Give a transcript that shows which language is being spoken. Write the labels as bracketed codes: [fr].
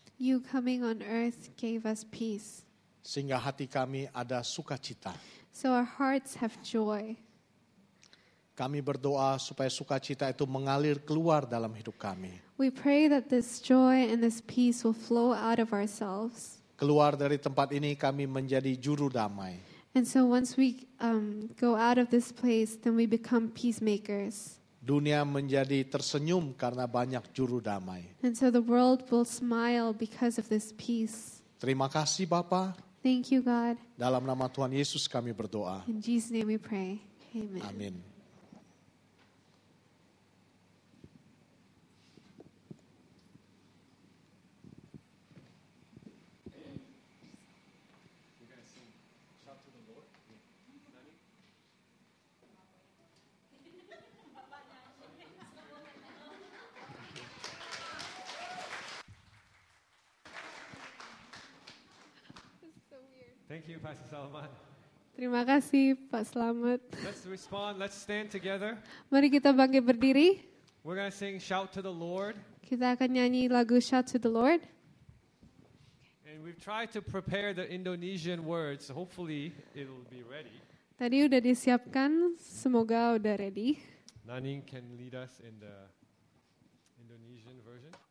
[en] You coming on earth gave us peace. [id] Sehingga hati kami ada sukacita. [en] So our hearts have joy. [id] Kami berdoa supaya sukacita itu mengalir keluar dalam hidup kami. [en] We pray that this joy and this peace will flow out of ourselves. [id] Keluar dari tempat ini kami menjadi juru damai. [en] And so once we go out of this place, then we become peacemakers. [id] Dunia menjadi tersenyum karena banyak juru damai. [en] And so the world will smile because of this peace. [id] Terima kasih Bapa. [en] Thank you God. [id] Dalam nama Tuhan Yesus kami berdoa. [en] In Jesus' name we pray. Amen. [id] Amin. [en] Thank you, Pastor Salman. [id] Terima kasih, Pak Slamet. [en] Let's respond. Let's stand together. [id] Mari kita bangkit berdiri. [en] We're going to sing "Shout to the Lord." [id] Kita akan nyanyi lagu "Shout to the Lord." [en] And we've tried to prepare the Indonesian words. Hopefully, it'll be ready. [id] Tadi udah disiapkan, semoga udah ready. [en] Naning can lead us in the Indonesian version.